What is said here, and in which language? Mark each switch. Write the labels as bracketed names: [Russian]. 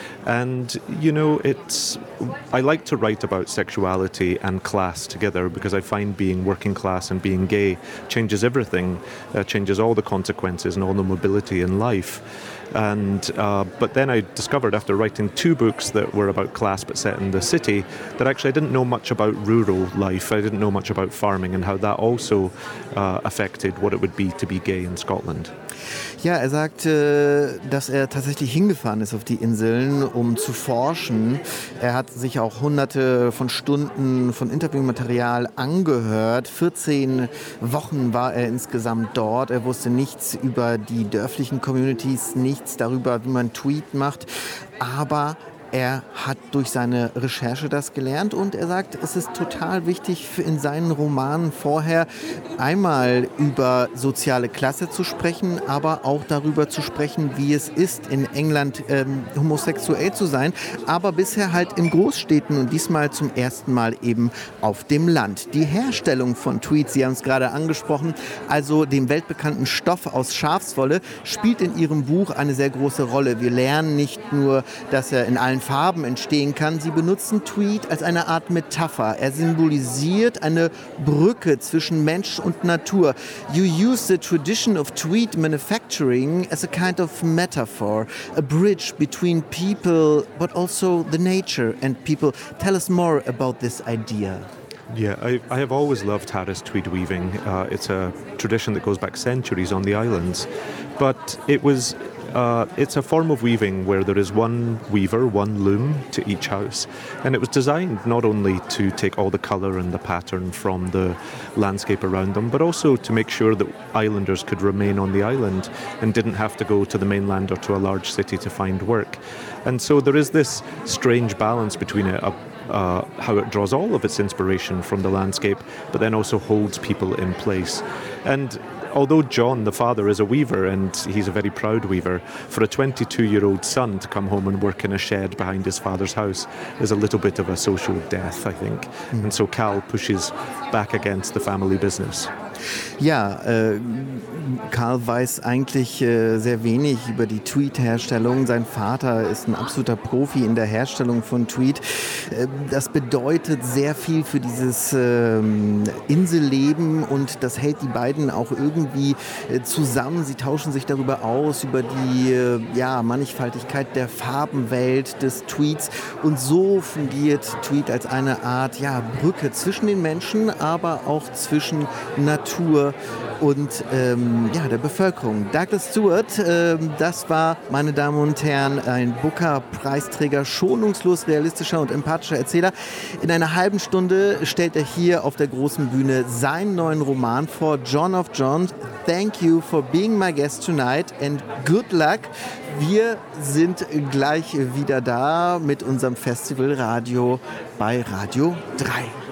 [English] And, you know, I like to write about sexuality and class together because I find being working class and being gay changes everything, changes all the consequences and all the mobility in life. And but then I discovered after writing two books that were about class but set in the city that actually I didn't know much about rural life. I didn't know much about farming and how that also affected what it would be to be gay in Scotland. [German] Ja, er sagt, dass er tatsächlich hingefahren ist auf die Inseln, um zu forschen. Er hat sich auch hunderte von Stunden von Interviewmaterial angehört. 14 Wochen war er insgesamt dort. Er wusste nichts über die dörflichen Communities, nichts darüber, wie man Tweet macht. Aber er hat durch seine Recherche das gelernt und er sagt, es ist total wichtig, in seinen Romanen vorher einmal über soziale Klasse zu sprechen, aber auch darüber zu sprechen, wie es ist, in England homosexuell zu sein, aber bisher halt in Großstädten und diesmal zum ersten Mal eben auf dem Land. Die Herstellung von Tweed, Sie haben es gerade angesprochen, also dem weltbekannten Stoff aus Schafswolle, spielt in Ihrem Buch eine sehr große Rolle. Wir lernen nicht nur, dass er in allen Farben entstehen kann. Sie benutzen Tweed als eine Art Metapher. Er symbolisiert eine Brücke zwischen Mensch und Natur. [English] You use the tradition of Tweed manufacturing as a kind of metaphor, a bridge between people, but also the nature and people. Tell us more about this idea. Yeah, I have always loved Harris tweed weaving. It's a tradition that goes back centuries on the islands. But it was... it's a form of weaving where there is one weaver, one loom to each house. And it was designed not only to take all the colour and the pattern from the landscape around them, but also to make sure that islanders could remain on the island and didn't have to go to the mainland or to a large city to find work. And so there is this strange balance between it, how it draws all of its inspiration from the landscape, but then also holds people in place. And although John, the father, is a weaver and he's a very proud weaver, for a 22-year-old son to come home and work in a shed behind his father's house is a little bit of a social death, I think. Mm. And so Cal pushes back against the family business. [German] Ja, Karl weiß eigentlich sehr wenig über die Tweed-Herstellung. Sein Vater ist ein absoluter Profi in der Herstellung von Tweed. Das bedeutet sehr viel für dieses Inselleben und das hält die beiden auch irgendwie zusammen. Sie tauschen sich darüber aus, über die Mannigfaltigkeit der Farbenwelt des Tweeds. Und so fungiert Tweed als eine Art Brücke zwischen den Menschen, aber auch zwischen Natur und der Bevölkerung. Douglas Stewart, das war, meine Damen und Herren, ein Booker-Preisträger, schonungslos realistischer und empathischer Erzähler. In einer halben Stunde stellt er hier auf der großen Bühne seinen neuen Roman vor, John of John. [English] Thank you for being my guest tonight and good luck. [German] Wir sind gleich wieder da mit unserem Festival Radio bei Radio 3.